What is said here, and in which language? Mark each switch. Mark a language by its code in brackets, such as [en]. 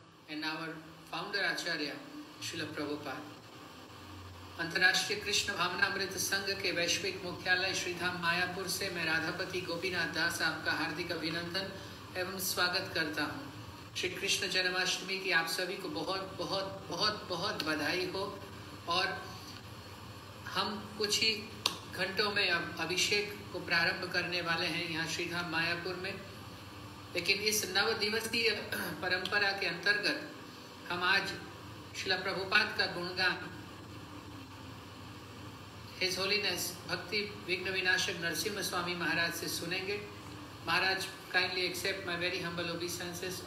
[en] and our founder Acharya Srila Prabhupada. [hi] अंतर्राष्ट्रीय कृष्ण भावनामृत संघ के वैश्विक मुख्यालय श्रीधाम मायापुर से मैं राधापति गोपीनाथ दास आपका हार्दिक अभिनंदन एवं स्वागत करता हूँ। श्री कृष्ण जन्माष्टमी की आप सभी को बहुत बहुत बहुत बहुत बधाई हो। और हम कुछ ही घंटों में अब अभिषेक को प्रारंभ करने वाले हैं यहाँ श्रीधाम मायापुर में, लेकिन इस नव दिवसीय परम्परा के अंतर्गत हम आज श्रील प्रभुपाद का गुणगान His Holiness Bhakti Vigna Vinashak Narasimha Swami Maharaj से सुनेंगे। [en] Maharaj, kindly accept my very humble obeisances.